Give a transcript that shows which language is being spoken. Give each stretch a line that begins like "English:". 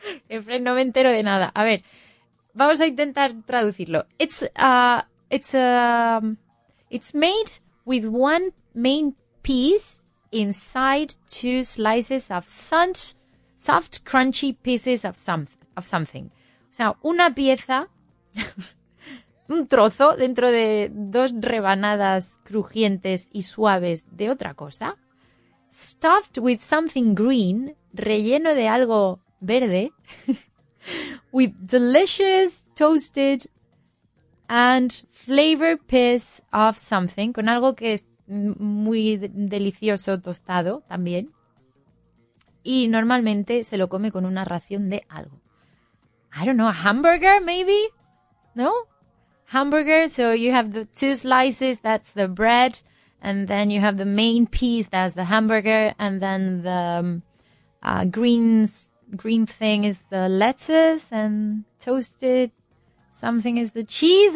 Spanish: Efren, no me entero de nada. A ver, vamos a intentar traducirlo.
English: It's made with one main piece inside two slices of soft, crunchy pieces of something.
Spanish: O sea, una pieza, un trozo dentro de dos rebanadas crujientes y suaves de otra cosa.
English: Stuffed with something green,
Spanish: relleno de algo verde.
English: With delicious toasted and flavored piece of something.
Spanish: Con algo que es muy delicioso tostado también. Y normalmente se lo come con una ración de algo.
English: I don't know, a hamburger maybe? No? Hamburger, so you have the two slices, that's the bread. And then you have the main piece, that's the hamburger. And then the green thing is the lettuce and toasted something is the cheese.